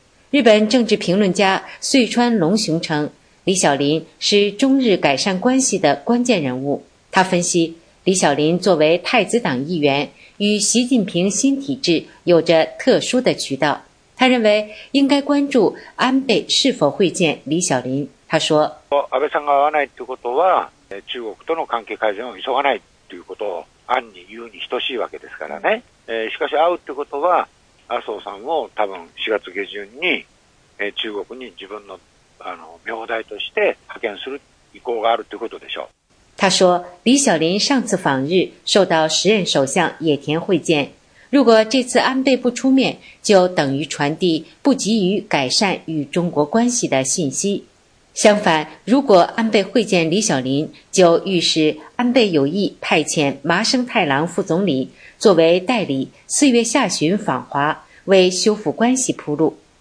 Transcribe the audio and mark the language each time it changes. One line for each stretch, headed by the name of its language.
Chinese: 日本政治评论家穗川龙雄称，李小林是中日改善关系的关键人物。他分析，李小林作为太子党议员，与习近平新体制有着特殊的渠道。他认为应该关注安倍是否会见李小林。他说，
Japanese: 安倍さんが会わないということは中国との関係改善を急がないということを暗に言うに等しいわけですからね。しかし会うということは麻生さんを多分4月下旬に中国に自分の名代として派遣する意向があるということでしょう。
Chinese: 他说，李小林上次访日受到时任首相野田会见，如果这次安倍不出面，就等于传递不急于改善与中国关系的信息。相反，如果安倍会见李小林，就预示安倍有意派遣麻生太郎副总理作为代理，4月下旬访华，为修复关系铺路。